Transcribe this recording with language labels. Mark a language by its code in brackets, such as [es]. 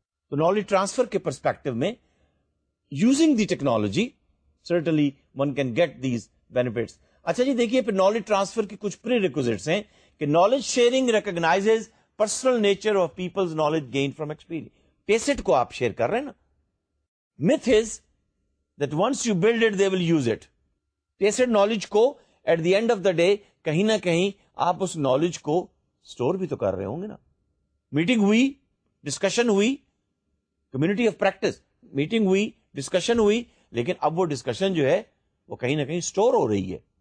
[en] تو knowledge transfer کے perspective میں using the technology certainly one can get these benefits. [ur] اچھا جی دیکھیے، پھر نالج ٹرانسفر کے کچھ پری ریکوزٹس ہیں کہ [en] Knowledge sharing recognizes personal nature of peoples knowledge gain from experience. [ur] Paste کو آپ شیئر کر رہے ہیں نا. [en] Myth is that once you build it they will use it. [ur] Paste knowledge کو [en] at the end of the day [ur] کہیں نہ کہیں آپ اس نالج کو اسٹور بھی تو کر رہے ہوں گے نا. میٹنگ ہوئی، ڈسکشن ہوئی، کمیونٹی آف پریکٹس میٹنگ ہوئی، ڈسکشن ہوئی، لیکن اب وہ ڈسکشن جو ہے وہ کہیں نہ کہیں اسٹور ہو رہی ہے.